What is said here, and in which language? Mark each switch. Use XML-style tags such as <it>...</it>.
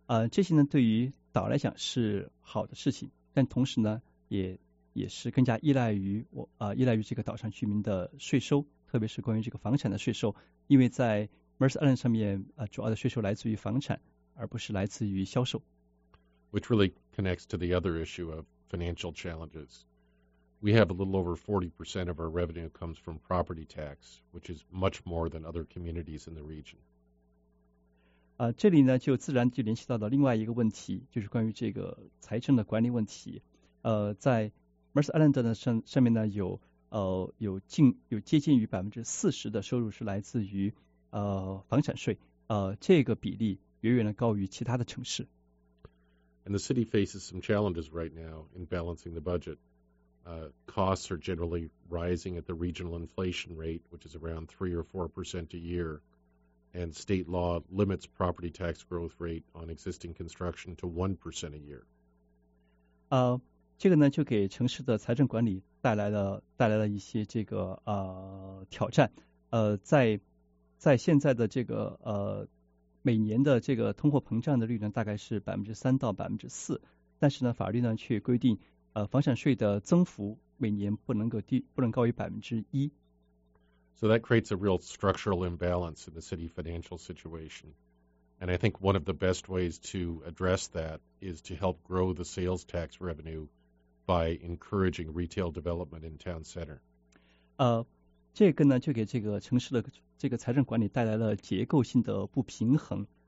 <zh>这些呢对于岛来讲是好的事情，但同时呢也是更加依赖于这个岛上居民的税收，特别是关于这个房产的税收，因为在Mercer Island 上面主要的税收来自于房产，而不是来自于销售。</zh> <en>Which really connects to the other issue of financial challenges. We have a little over 40% of our revenue comes from property tax, which is much more than other communities in the region.</en> <zh>这里呢就自然就联系到了另外一个问题，就是关于这个财政的管理问题。在 Mercer Island 的上面呢有接近于40%的收入是来自于房产税，这个比例远远的高于其他的城市。</zh> <en>And the city faces some challenges right now in balancing the budget. Costs are generally rising at the regional inflation rate, which is around 3 or 4% a year. and state law limits property tax growth rate on existing construction to 1% a year.</en> <zh>这个呢就给城市的财政管理带来了一些这个挑战。在现在的这个每年的这个通货膨胀的率呢大概是3%到4%，但是呢法律呢却规定房产税的增幅每年不能高于1%。</zh> <en>So that creates a real structural imbalance in the city financial situation. And I think one of the best ways to address that is to help grow the sales tax revenue by encouraging retail development in town center.</en> <zh>这个呢就给这个城市的这个财政管理带来了结构性的不平衡。</zh>